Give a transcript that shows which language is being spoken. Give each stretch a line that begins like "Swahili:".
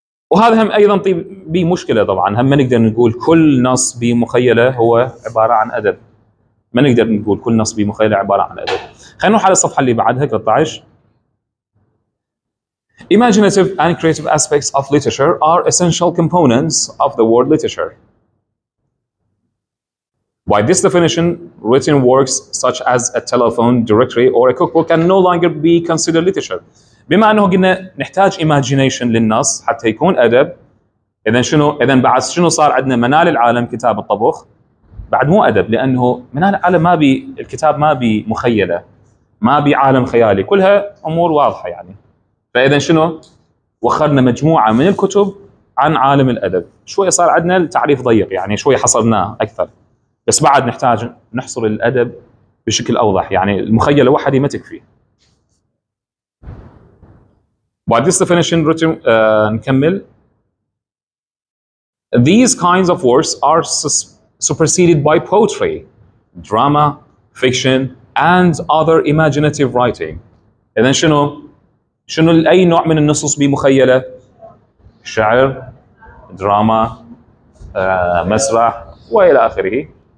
Arabic: وهذا هم ايضا طيب بي مشكله طبعا، هم ما نقدر نقول كل نص بي مخيله هو عباره عن ادب، ما نقدر نقول كل نص بي مخيله عباره عن ادب. خلينا نروح على الصفحه اللي بعدها 13.
English: Imaginative and creative aspects of literature are essential components of the word literature. By this definition, written works such as a telephone directory or a cookbook can no longer be considered literature.
Arabic: بما أنه قلنا نحتاج imagination للنص حتى يكون أدب، إذن بعد شنو صار عندنا منال العالم كتاب الطبخ؟ بعد مو أدب، لأنه منال العالم ما بي الكتاب ما بي مخيلة، ما بي عالم خيالي، كلها أمور واضحة يعني. فإذا شنو؟ وخرنا مجموعة من الكتب عن عالم الأدب، شوي صار عندنا التعريف ضيق يعني، شوي حصرناه أكثر. بس بعد نحتاج نحصر الأدب بشكل أوضح، يعني المخيلة وحدي ما تكفي.
English: By this definition,
Arabic: نكمل.
English: These kinds of works are superseded by poetry, drama, fiction, and other imaginative writing.
Arabic: إذا شنو؟ شنو اي نوع من النصوص بمخيله؟ شعر، دراما، مسرح والى اخره.